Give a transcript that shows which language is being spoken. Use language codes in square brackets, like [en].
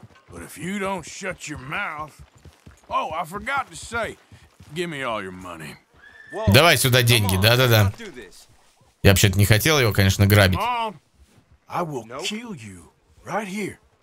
[en] But if you don't shut your mouth. Oh, I forgot to say. Give me all your money. [ru] Давай сюда деньги, да-да-да. Я вообще-то не хотел его, конечно, грабить. [en] I will kill you right here.